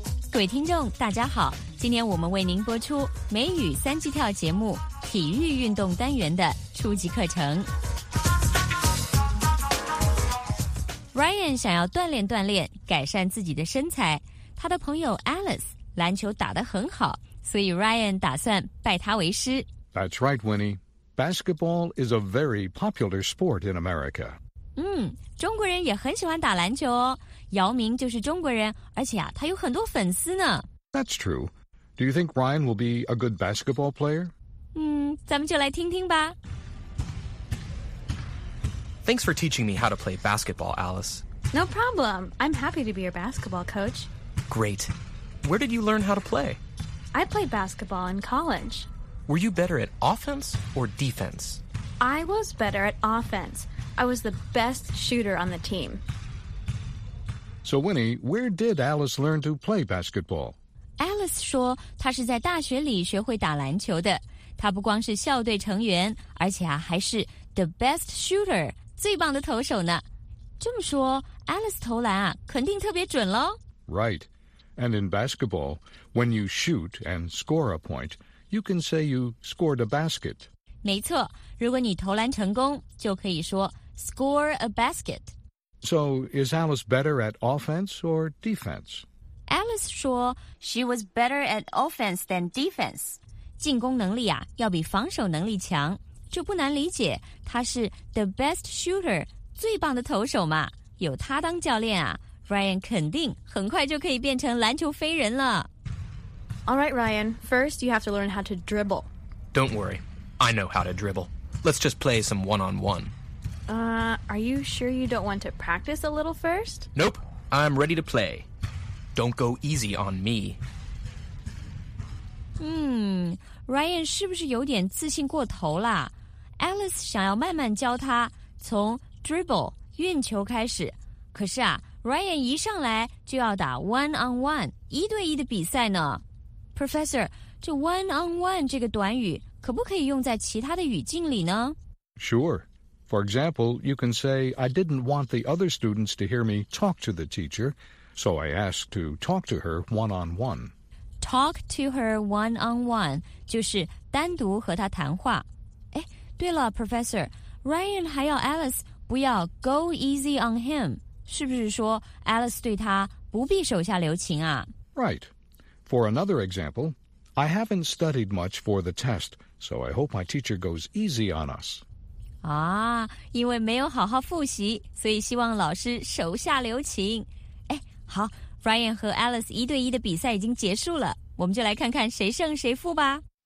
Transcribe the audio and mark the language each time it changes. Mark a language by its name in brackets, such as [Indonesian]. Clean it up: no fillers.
[Chinese] 各位听众大家好，今天我们为您播出美语三级跳节目体育运动单元的初级课程。 Ryan 想要锻炼锻炼，改善自己的身材。他的朋友 Alice 篮球打得很好，所以 Ryan 打算拜他为师。 [English] That's right, Winnie. Basketball is a very popular sport in America. [Chinese] 嗯，中国人也很喜欢打篮球哦。姚明就是中国人，而且啊，他有很多粉丝呢。 [English] That's true. Do you think Ryan will be a good basketball player? [Chinese] 嗯，咱们就来听听吧。 [English] Thanks for teaching me how to play basketball, Alice. No problem. I'm happy to be your basketball coach. Great. Where did you learn how to play? I played basketball in college. Were you better at offense or defense? I was better at offense. I was the best shooter on the team. So Winnie, where did Alice learn to play basketball? [Chinese] Alice 说她是在大学里学会打篮球的。她不光是校队成员，而且啊还是 [English] the best shooter。 [Chinese] 最棒的投手呢，这么说 Alice 投篮啊肯定特别准咯。 [English] Right. And in basketball, when you shoot and score a point, you can say you scored a basket. [Chinese] 没错，如果你投篮成功就可以说 [English] score a basket. So is Alice better at offense or defense? Alice 说 she was better at offense than defense. [Chinese] 进攻能力啊要比防守能力强。就不难理解，他是 [English] the best shooter， [Chinese] 最棒的投手嘛。有他当教练啊 ，Ryan 肯定很快就可以变成篮球飞人了。 [English] All right, Ryan. First, you have to learn how to dribble. Don't worry, I know how to dribble. Let's just play some one-on-one. Are you sure you don't want to practice a little first? Nope, I'm ready to play. Don't go easy on me. [Chinese] Ryan 是不是有点自信过头了？Alice 想要慢慢教他从 dribble 运球开始，可是啊 Ryan 一上来就要打 one on one 一对一的比赛呢。 Professor， 这 one on one 这个短语可不可以用在其他的语境里呢？ [English] Sure. For example, you can say I didn't want the other students to hear me talk to the teacher, so I asked to talk to her one on one. Talk to her one-on-one, [Chinese] 就是单独和她谈话。哎，对了 ,Professor, Ryan 还要 Alice 不要 [English] go easy on him, [Chinese] 是不是说 Alice 对他不必手下留情啊？ [English] Right. For another example, I haven't studied much for the test, so I hope my teacher goes easy on us. [Chinese] 啊，因为没有好好复习，所以希望老师手下留情。哎，好。 Ryan 和 Alice 一对一的比赛已经结束了，我们就来看看谁胜谁负吧。